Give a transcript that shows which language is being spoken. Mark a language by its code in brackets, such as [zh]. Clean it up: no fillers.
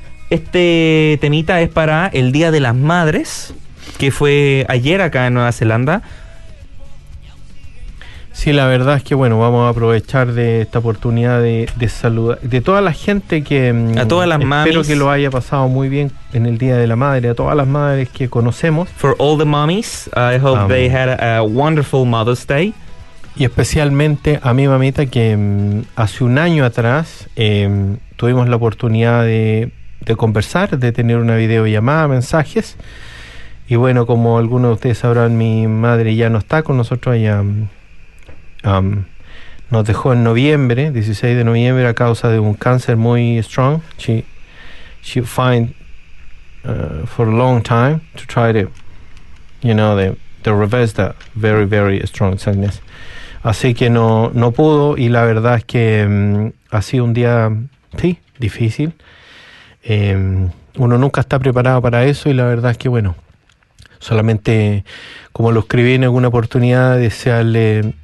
[es] Este temita es para el Día de las Madres, que fue ayer acá en Nueva Zelanda. Sí, la verdad es que bueno, vamos a aprovechar de esta oportunidad de saludar de toda la gente que a todas las mamis. Espero que lo haya pasado muy bien en el Día de la Madre, a todas las madres que conocemos. [en] For all the mommies, I hope they had a wonderful Mother's Day. [es] Y especialmente a mi mamita, que hace un año atrás tuvimos la oportunidad de conversar, de tener una videollamada, mensajes. Y bueno, como algunos de ustedes sabrán, mi madre ya no está con nosotros, ella nos dejó en noviembre, 16 de noviembre, a causa de un cáncer muy strong. [en] She find for a long time to try to, you know, the reverse that very, very strong sickness. [es] Así que no pudo, y la verdad es que ha sido un día, sí, difícil. Uno nunca está preparado para eso, y la verdad es que, bueno, solamente, como lo escribí en alguna oportunidad, desearle...